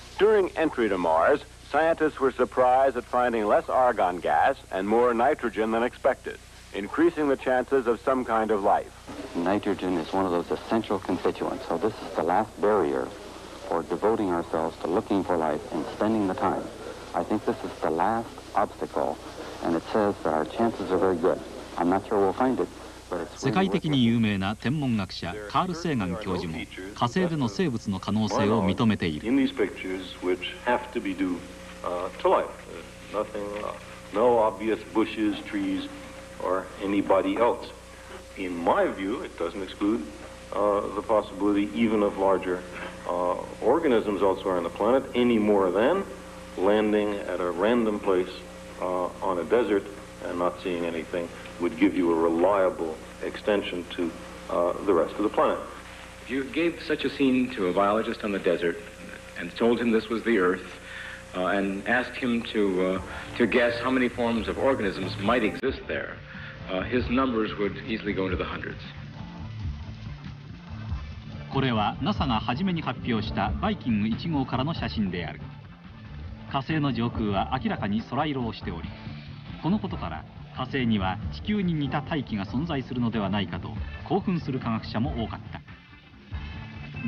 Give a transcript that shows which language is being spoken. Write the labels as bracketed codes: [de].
[en] During entry to Mars,Scientists were surprised at finding less argon gas and more nitrogen than expected, increasing the chances of some kind of life. Nitrogen is one of those essential constituents, so this is the last barrier for devoting ourselves to looking for life and spending the time. I think this is the last obstacle, and it says that our chances are very good. I'm not sure we'll find it, but it's... [ja] 世界的に有名な天文学者カール・セーガン教授も火星での生物の可能性を認めている。 [en] In these pictures, which have to be due... to life. Nothing, no obvious bushes, trees, or anybody else. In my view, it doesn't exclude the possibility even of larger organisms elsewhere on the planet, any more than landing at a random place on a desert and not seeing anything would give you a reliable extension to the rest of the planet. If you gave such a scene to a biologist on the desert and told him this was the Earth,and asked him to guess how many forms of organisms might exist there, his numbers would easily go into the hundreds. [ja] これは NASA が初めに発表したバイキング1号からの写真である。火星の上空は明らかに空色をしており、このことから火星には地球に似た大気が存在するのではないかと興奮する科学者も多かった。